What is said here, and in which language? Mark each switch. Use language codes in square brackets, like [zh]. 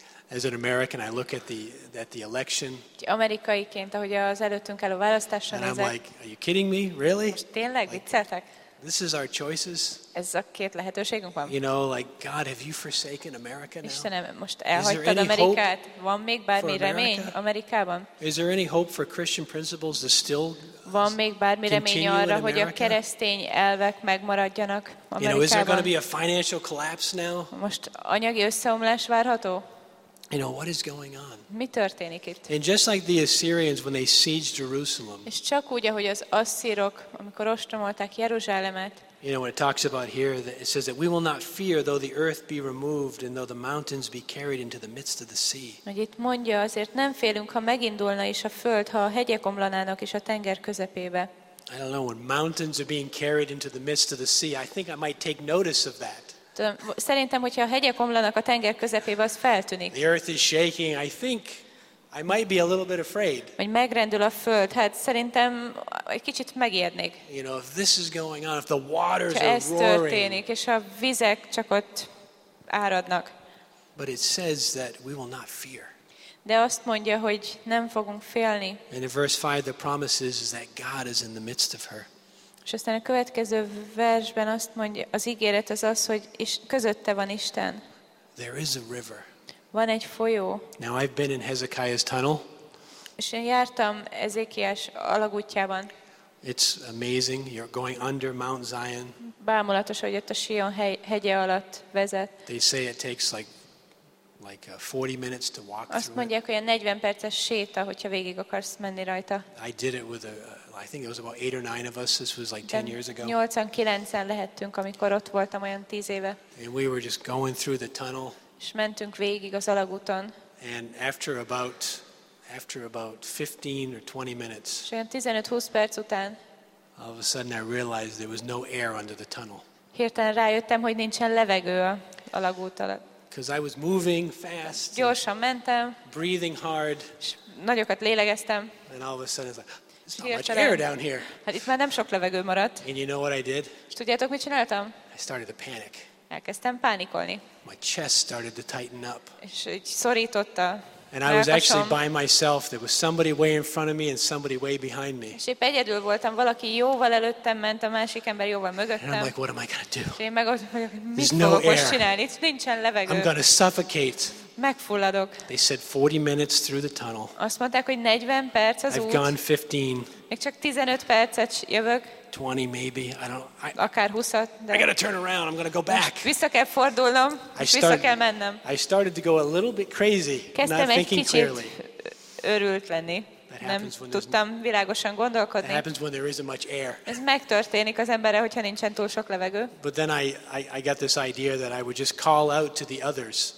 [en] As an American, I look at the election. [hu] Amerikaiként, ahogy az előttünk álló választáson nézek. [en] And I'm like, are you kidding me? Really? [hu] Tényleg, vicceltek? [en] This is our choices. [hu] Ez a két lehetőségünk van. [en] You know, like, God, have you forsaken America now? [hu] Istenem, most elhagytad Amerikát? Van még bármi remény Amerikában? [en] Is there any hope for Christian principles to still continue? [hu] Van még bármi remény arra, hogy a keresztény elvek megmaradjanak Amerikában? [en] You know, is there going to be a financial collapse now? [hu] Most anyagi összeomlás várható? [en] You know, what is going on? [hu] Mi történik itt? [en] And just like the Assyrians when they sieged Jerusalem. [hu] És csak úgy, ahogy az asszírok, amikor ostromolták Jeruzsálemet. [en] You know, when it talks about here, it says that we will not fear though the earth be removed and though the mountains be carried into the midst of the sea. [hu] Hogy itt mondja, azért nem félünk, ha megindulna is a föld, ha a hegyek omlanának is a tenger közepébe. [en] I don't know, when mountains are being carried into the midst of the sea, I think I might take notice of that. [hu] Szerintem, hogyha a hegyek omlanak a tenger közepébe, az feltűnik. [en] The earth is shaking. I think I might be a little bit afraid. [hu] Hogy megrendül a föld, hát szerintem egy kicsit megijednék. [en] You know, if this is going on, if the waters are roaring. [hu] Ez történik, és a vizek csak ott áradnak. [en] But it says that we will not fear. [hu] De azt mondja, hogy nem fogunk félni. [en] And in verse 5, the promise is that God is in the midst of her. [hu] És aztán a következő versben azt mondja, az ígéret az az, hogy közötte van Isten. [en] There is a river. [hu] Van egy folyó. [en] Now I've been in Hezekiah's tunnel. [hu] És én jártam Ezékiás alagútjában. [en] It's amazing, you're going under Mount Zion. [hu] Bámulatos, hogy ott a Sion hegye alatt vezet. [en] They say it takes like 40 minutes to walk through. [hu] Azt mondják, hogy 40 perces séta, hogyha végig akarsz menni rajta. [en] I did it with I think it was about 8 or 9 of us. This was like 10 years ago. [hu] 89-en lehettünk, amikor ott voltam olyan 10 éve. [en] And we were just going through the tunnel. [hu] És mentünk végig az alagúton. [en] And after about 15 or 20 minutes. [hu] És olyan 15-20 perc után. [en] All of a sudden I realized there was no air under the tunnel. [hu] Hirtelen rájöttem, hogy nincsen levegő a alagút alatt. [en] Because I was moving fast. [hu] Gyorsan mentem. [en] Breathing hard. [hu] És nagyokat lélegeztem. [en] And all of a sudden it's like, there's not much air down here. [hu] Hát itt már nem sok levegő maradt. [en] And you know what I did? [hu] És tudjátok, mit csináltam? [en] I started to panic. [hu] Elkezdtem pánikolni. [en] My chest started to tighten up. [hu] És így szorította. [en] And I was actually by myself. There was somebody way in front of me and somebody way behind me. [hu] És épp egyedül voltam, valaki jóval előttem ment, a másik ember jóval mögöttem. [en] And I'm like, what am I gonna do? [hu] És én meg ott vagyok, mit fogok most csinálni? Itt nincsen levegő. [en] I'm gonna suffocate. [hu] Megfulladok. [en] They said 40 minutes through the tunnel. [hu] Azt mondták, hogy 40 perc az [en] I've [hu] út. [en] I've gone 15. [hu] Még csak 15 percet jövök. [en] 20 maybe. I don't. [hu] Akár 20-at. De [en] I gotta turn around. I'm gonna go back. [hu] Vissza kell fordulnom. Vissza kell mennem. [en] I started to go a little bit crazy. [hu] Kezdtem [en] not thinking clearly. [hu] Örült lenni. Nem tudtam világosan gondolkodni. [en] That happens when there isn't much air. [hu] Ez megtörténik az emberre, hogyha nincsen túl sok levegő. [en] But then I got this idea that I would just call out to the others.